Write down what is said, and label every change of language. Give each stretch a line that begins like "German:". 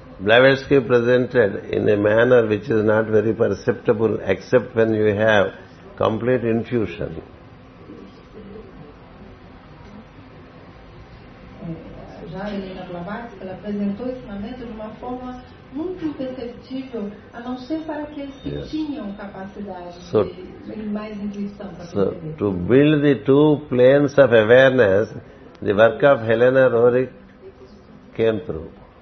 English: Blavatsky presented in a manner which is not very perceptible except when you have complete intuition.
Portuguese: Já Helena Blavatsky apresentou esse momento de uma forma muito imperceptível, a não ser para aqueles que tinham capacidade de mais intuição.
English: So, to build the two planes of awareness, the work of Helena Rorick came through.